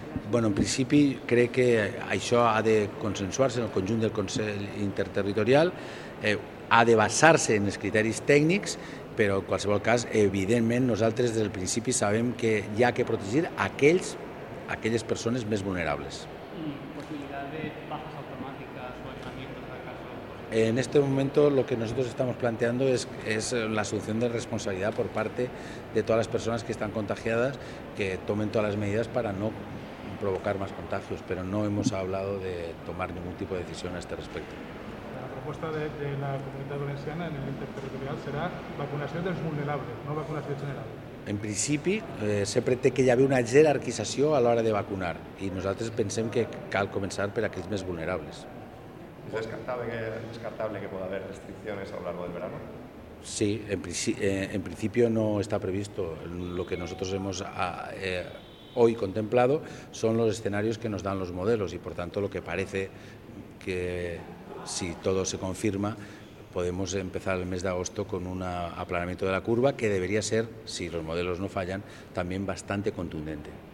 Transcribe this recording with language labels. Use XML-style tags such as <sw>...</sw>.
<ca>Bueno, en principi crec que això ha de consensuar-se en el conjunt del Consell Interterritorial, ha de basar-se en els criteris tècnics, però en qualsevol cas, evidentment, nosaltres des del principi sabem que hi ha que protegir aquelles persones més vulnerables.</ca> <es>¿Possibilitat de bajas automáticas o aislamientos en caso? En este momento lo que nosotros estamos planteando es la asunción de responsabilidad por parte de todas las personas que están contagiadas, que tomen todas las medidas para no provocar más contagios, pero no hemos hablado de tomar ningún tipo de decisión a este respecto. La propuesta de la Comunidad Valenciana en el interterritorial será vacunación de los vulnerables, no vacunación general.</es> <ca>En principi, sempre té que hi haver una jerarquització a l'hora de vacunar i nosaltres pensem que cal començar per aquells més vulnerables.</ca> <es>¿Es descartable que pueda haber restricciones a lo largo del verano? Sí, en principio no está previsto. Lo que nosotros hemos hoy contemplado son los escenarios que nos dan los modelos y, por tanto, lo que parece que, si todo se confirma, podemos empezar el mes de agosto con un aplanamiento de la curva que debería ser, si los modelos no fallan, también bastante contundente.</es>